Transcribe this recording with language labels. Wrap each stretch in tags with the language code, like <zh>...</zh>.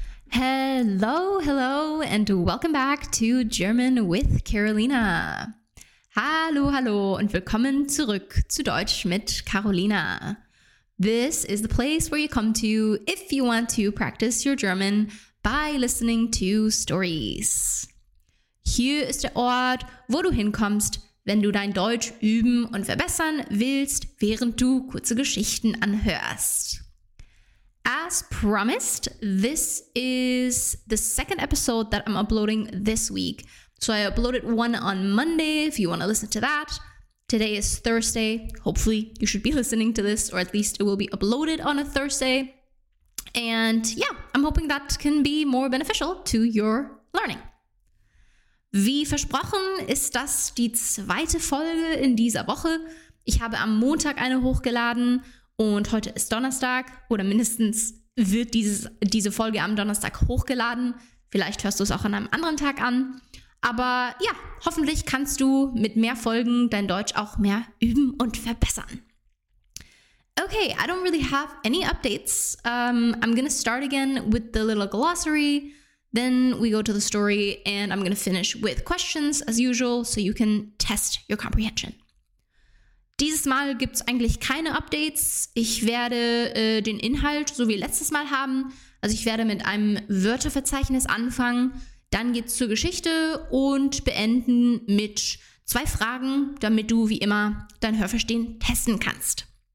<en>Hello, hello, and welcome back to German with Carolina.</en> <de>Hallo, hallo, und willkommen zurück zu Deutsch mit Carolina.</de> <en>This is the place where you come to if you want to practice your German by listening to stories.</en> <de>Hier ist der Ort, wo du hinkommst, wenn du dein Deutsch üben und verbessern willst, während du kurze Geschichten anhörst.</de> <en>As promised, this is the second episode that I'm uploading this week. So I uploaded one on Monday, if you want to listen to that. Today is Thursday. Hopefully, you should be listening to this, or at least it will be uploaded on a Thursday. And yeah, I'm hoping that can be more beneficial to your learning.</en> <de>Wie versprochen ist das die zweite Folge in dieser Woche. Ich habe am Montag eine hochgeladen und heute ist Donnerstag oder mindestens wird diese Folge am Donnerstag hochgeladen. Vielleicht hörst du es auch an einem anderen Tag an. Aber ja, hoffentlich kannst du mit mehr Folgen dein Deutsch auch mehr üben und verbessern.</de> <en>Okay, I don't really have any updates. I'm gonna start again with the little glossary. Then we go to the story and I'm going to finish with questions as usual, so you can test your comprehension.</en> <de>Dieses Mal gibt es eigentlich keine Updates. Ich werde den Inhalt so wie letztes Mal haben. Also ich werde mit einem Wörterverzeichnis anfangen. Dann geht es zur Geschichte und beenden mit zwei Fragen, damit du wie immer dein Hörverstehen testen kannst.</de>